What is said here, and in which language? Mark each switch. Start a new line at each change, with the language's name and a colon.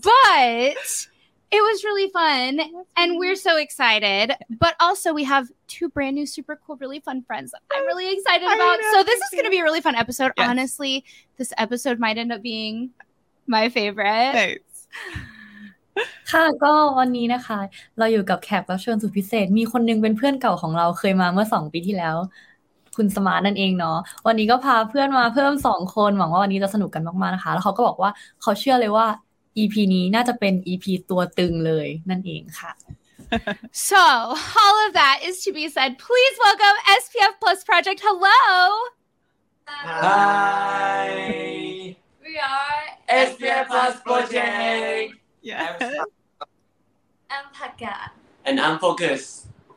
English: But it was really fun, and we're so excited. But also, we have two brand new, super cool, really fun friends that I'm really excited about. So this is going to be a really fun episode. Yes. Honestly, this episode might end up being my favorite. Nice.
Thai: ค่ะก็วันนี้นะคะเราอยู่กับแขกรับเชิญสุดพิเศษมีคนนึงเป็นเพื่อนเก่าของเราเคยมาเมื่อ2ปีที่แล้วคุณสมาร์ทนั่นเองเนาะวันนี้ก็พาเพื่อนมาเพิ่ม2คนหวังว่าวันนี้จะสนุกกันมากๆนะคะแล้วเขาก็บอกว่าเขาเชื่อเลยว่าEP นี้น่าจะเป็น EP ตัวตึงเลยนั่นเองค่ะ
English: So all of that is to be said. Please welcome SPF Plus Project. Hello. Hi. We are SPF Plus Project. Yes. I'm Paka. And I'm Focus.